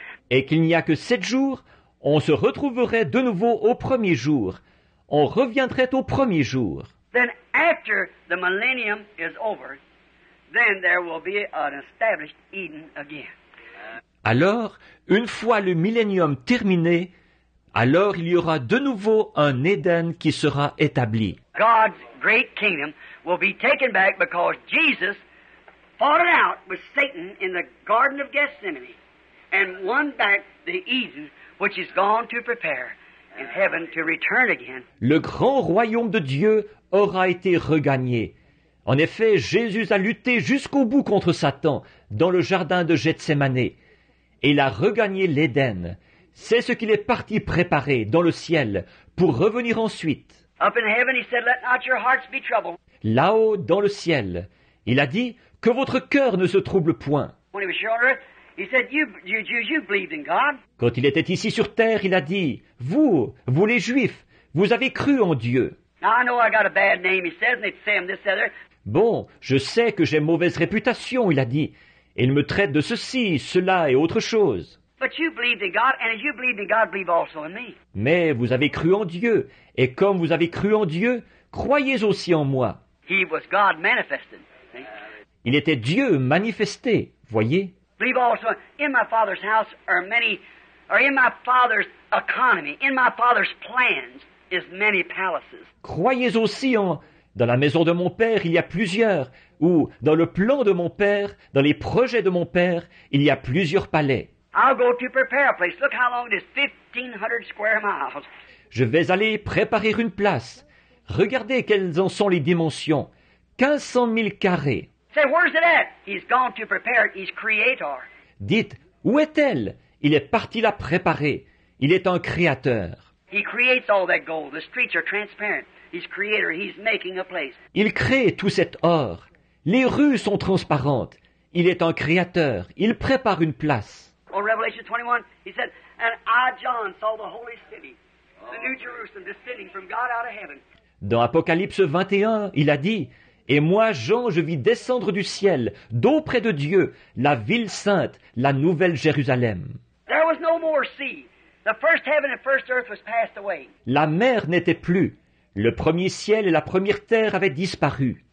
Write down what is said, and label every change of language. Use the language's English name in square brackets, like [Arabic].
[French] Et qu'il n'y a que sept jours, on se retrouverait de nouveau au premier jour. On reviendrait au premier jour. [English] Then after the millennium is over, then there will be an established Eden again. [French] Alors, une fois le millénium terminé, alors il y aura de nouveau un Éden qui sera établi. [English] God's great kingdom will be taken back because Jesus fought it out with Satan in the Garden of Gethsemane and won back the Eden which is gone to prepare in heaven to return again. [French] Le grand royaume de Dieu aura été regagné. En effet, Jésus a lutté jusqu'au bout contre Satan dans le jardin de Gethsemane et il a regagné l'Éden. C'est ce qu'il est parti préparer dans le ciel pour revenir ensuite. [English] Up in heaven, he said, let not your hearts be troubled. [French] Là-haut, dans le ciel, il a dit, que votre cœur ne se trouble point. [English] When he was here on earth, he said, you believed in God. [French] Quand il était ici sur terre, il a dit, vous les Juifs, vous avez cru en Dieu. [English] Now I know I got a bad name, he says, and they say I'm this other. [French] Bon, je sais que j'ai mauvaise réputation, il a dit. Et il me traite de ceci, cela et autre chose. [English] But you believed in God, and if you believed in God, believe also in me. [French] Mais vous avez cru en Dieu, et comme vous avez cru en Dieu, croyez aussi en moi. [English] He was God manifested. [French] Il était Dieu manifesté, voyez. [English] Believe also in my Father's house are many, or in my Father's economy, in my Father's plans is many palaces. [French] Croyez aussi en, dans la maison de mon Père, il y a plusieurs, ou dans le plan de mon Père, dans les projets de mon Père, il y a plusieurs palais. [English] I'll go to prepare a place. Look how long it is, 1,500 square miles. [French] Je vais aller préparer une place. Regardez quelles en sont les dimensions. 1,500 mille carrés. [English] Say, where's it at? He's gone to prepare it. He's creator. [French] Dites, où est-elle? Il est parti la préparer. Il est un créateur. [English] He creates all that gold. The streets are transparent. He's creator, he's making a place. [French] Il crée tout cet or. Les rues sont transparentes. Il est un créateur. Il prépare une place. [English] Well, Revelation 21, he said, and I, John, saw the holy city, the new Jerusalem, descending from God out of heaven. [French] Dans Apocalypse 21, il a dit, et moi, Jean, je vis descendre du ciel, d'auprès de Dieu, la ville sainte, la nouvelle Jérusalem. [English] There was no more sea. The first heaven and first earth was passed away. [French] La mer n'était plus. Le premier ciel et la première terre avaient disparu.